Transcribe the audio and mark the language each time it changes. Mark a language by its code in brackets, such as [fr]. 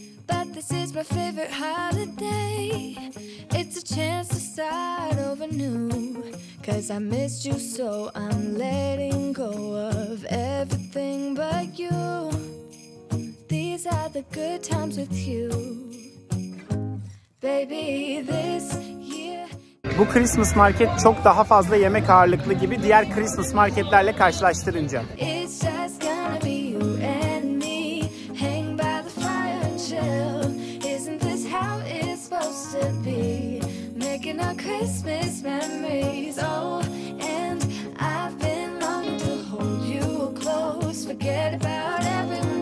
[en] But this is my favorite holiday. It's a chance to start over new. 'Cause I missed you so. I'm letting go of everything but you. These are the good times with you, baby. This year. [tr] Bu Christmas market çok daha fazla yemek ağırlıklı gibi diğer Christmas marketlerle karşılaştırınca. [en] It's just gonna be you and me, hang by the fire and chill. Isn't this how it's supposed to be? Making our Christmas memories. Oh, and I've been longing to hold you close, forget about everything.